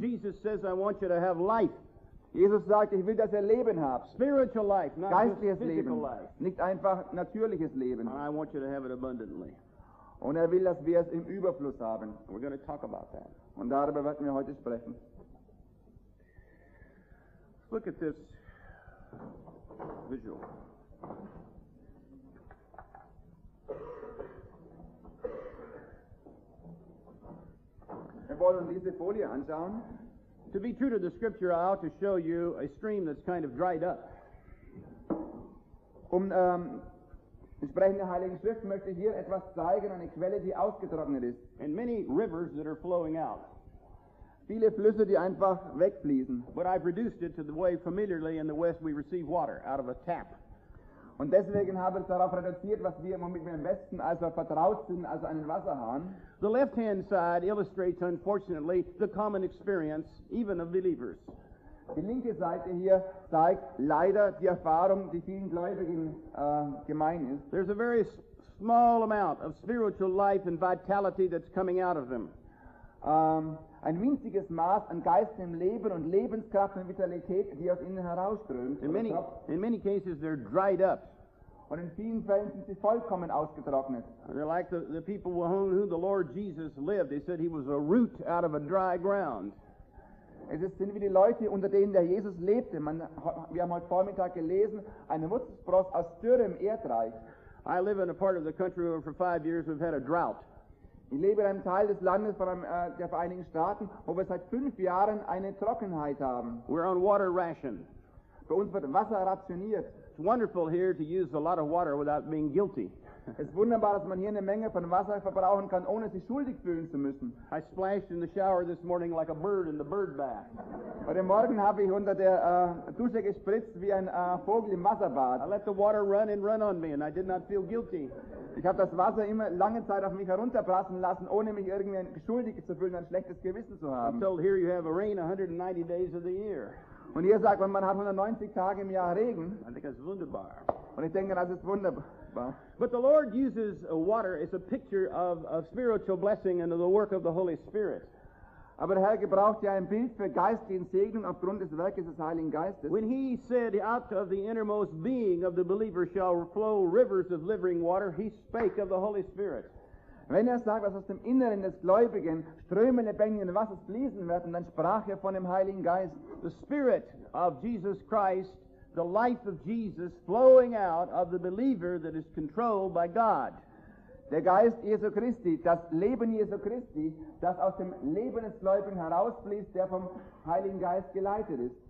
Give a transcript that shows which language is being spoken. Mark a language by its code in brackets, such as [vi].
[en] Jesus says, I want you to have life. [de] Jesus sagt, ich will, dass ihr Leben habt. [en] Spiritual life, not [de] geistliches [en] physical [de] Leben, [en] life. [de] Nicht einfach natürliches Leben. [en] I want you to have it abundantly. [de] Und er will, dass wir es im Überfluss haben. [en] We're going to talk about that. [de] Und darüber werden wir heute sprechen. [en] Look at this visual. [de] Wir wollen uns diese Folie anschauen. [en] To be true to the scripture, I ought to show you a stream that's kind of dried up. [de] Entsprechend der Heiligen Schrift möchte ich hier etwas zeigen, eine Quelle, die ausgetrocknet ist. [en] And many rivers that are flowing out. [de] Viele Flüsse, die einfach wegfließen. [en] But I've reduced it to the way familiarly in the West we receive water, out of a tap. [de] Und deswegen habe ich darauf reduziert, was wir im Westen also vertraut sind, also einen Wasserhahn. [en] The left-hand side illustrates, unfortunately, the common experience, even of believers. [de] Die linke Seite hier zeigt leider die Erfahrung, die vielen Gläubigen gemein ist. [en] There's a very small amount of spiritual life and vitality that's coming out of them. [de] Ein winziges Maß an geistigem Leben und Lebenskraft und Vitalität, die aus ihnen herausströmt. [en] In many cases they're dried up. [de] Und in vielen Fällen sind sie vollkommen ausgetrocknet. [en] They're like the people who the Lord Jesus lived. They said he was a root out of a dry ground. [de] Es sind wie die Leute, unter denen der Jesus lebte. Wir haben heute Vormittag gelesen, eine Wurzelspross aus dürrem Erdreich. [en] I live in a part of the country where for 5 years we've had a drought. [de] Ich lebe in einem Teil des Landes der Vereinigten Staaten, wo wir seit 5 Jahren eine Trockenheit haben. [en] We're on water ration. [de] Bei uns wird Wasser rationiert. [en] It's wonderful here to use a lot of water without being guilty. [de] Es ist wunderbar, dass man hier eine Menge von Wasser verbrauchen kann, ohne sich schuldig fühlen zu müssen. [en] I splashed in the shower this morning like a bird in the bird bath. [de] Heute Morgen habe ich unter der Dusche gespritzt wie ein Vogel im Wasserbad. [en] I let the water run and run on me and I did not feel guilty. [de] Ich habe das Wasser immer lange Zeit auf mich herunterprassen lassen, ohne mich irgendwie schuldig zu fühlen, ein schlechtes Gewissen zu haben. [en] Until here you have a rain 190 days of the year. [de] Und hier sagt man, man hat 190 Tage im Jahr Regen. [en] I think that's wunderbar. [de] Und ich denke, das ist wunderbar. [en] But the Lord uses water as a picture of a spiritual blessing and of the work of the Holy Spirit. [de] Aber der Herr gebraucht ja ein Bild für geistlichen Segnung aufgrund des Werkes des Heiligen Geistes. [en] When he said, out of the innermost being of the believer shall flow rivers of living water, he spake of the Holy Spirit. [de] Wenn er sagt, dass aus dem Inneren des Gläubigen Ströme lebendigen Wassers fließen werden, dann sprach er von dem Heiligen Geist. [en] The Spirit of Jesus Christ, the life of Jesus flowing out of the believer that is controlled by God. [de] Der Geist Jesu Christi, das Leben Jesu Christi, das aus dem Leben des Gläubigen herausfließt, der vom Heiligen Geist geleitet ist.